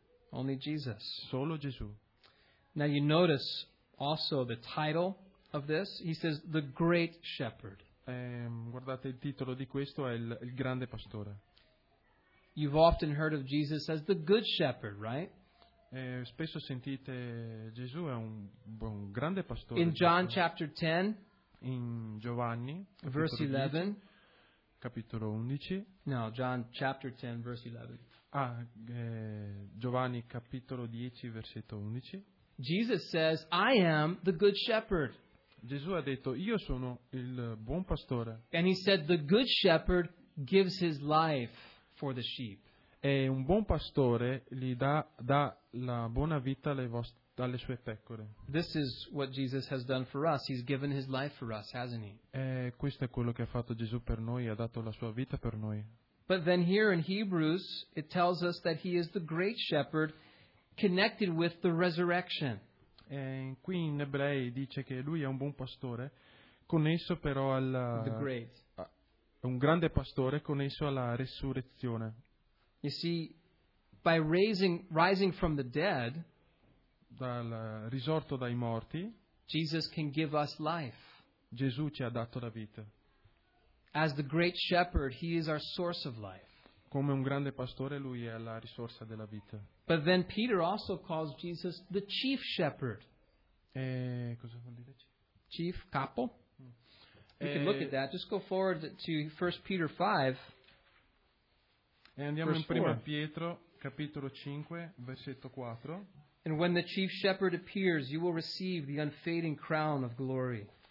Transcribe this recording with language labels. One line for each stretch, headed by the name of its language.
English: Only Jesus.
Italian: Solo Gesù.
English: Now you notice also the title of this. He says, the great shepherd.
Italian: Guardate, il titolo di questo è il grande pastore.
English: You've often heard of Jesus as the good shepherd, right?
Italian: Spesso sentite Gesù è un grande pastore.
English: In John chapter 10.
Italian: In Giovanni.
English: Verse 11.
Italian: Capitolo 11.
English: No, John chapter 10, verse 11.
Italian: Giovanni capitolo 10, versetto 11.
English: Jesus says, I am the good shepherd.
Italian: Gesù ha detto, io sono il buon pastore.
English: And he said, the good shepherd gives his life for the sheep.
Italian: E un buon pastore gli dà la buona vita alle sue pecore.
English: This is what Jesus has done for us. He's given his life for us, hasn't he?
Italian: Questo è quello che ha fatto Gesù per noi, ha dato la sua vita per noi.
English: But then here in Hebrews, it tells us that he is the great shepherd connected with the resurrection.
Italian: E qui in Ebrei dice che lui è un buon pastore, connesso però alla...
English: The great.
Italian: Un grande pastore connesso alla resurrezione.
English: You see, by rising from the dead,
Italian: dal risorto dai morti,
English: Jesus can give us life.
Italian: Gesù ci ha dato la vita.
English: As the great shepherd, he is our source of life.
Italian: Come un grande pastore, lui è la risorsa della vita.
English: But then Peter also calls Jesus the chief shepherd.
Italian: E cosa vuol dire?
English: Chief, capo. You can look at that. Just go forward to 1 Peter 5.
Italian: E andiamo in 1 Pietro, capitolo 5, versetto 4.
English: And when the chief shepherd appears, you will receive the unfading crown of glory.